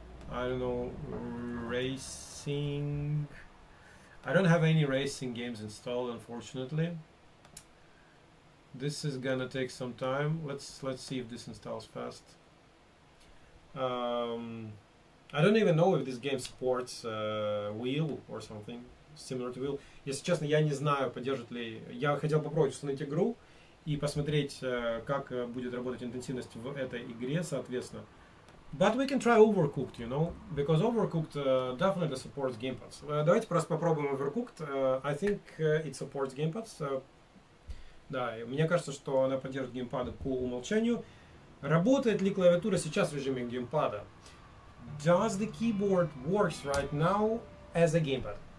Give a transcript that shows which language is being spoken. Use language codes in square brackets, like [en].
[en] I don't know, racing. I don't have any racing games installed, unfortunately. This is gonna take some time. Let's see if this installs fast. I don't even know if this game supports Wheel or something similar to Wheel. [ru] Если честно, я не знаю, поддержит ли. Я хотел попробовать установить игру и посмотреть, как будет работать интенсивность в этой игре, соответственно. [en] But we can try Overcooked, you know, because Overcooked definitely supports gamepads. [ru] Давайте просто попробуем Overcooked. [en] I think it supports gamepads. [ru] Да, мне кажется, что она поддержит геймпады по умолчанию. Работает ли клавиатура сейчас в режиме геймпада? [en] Does the keyboard works right now as a gamepad?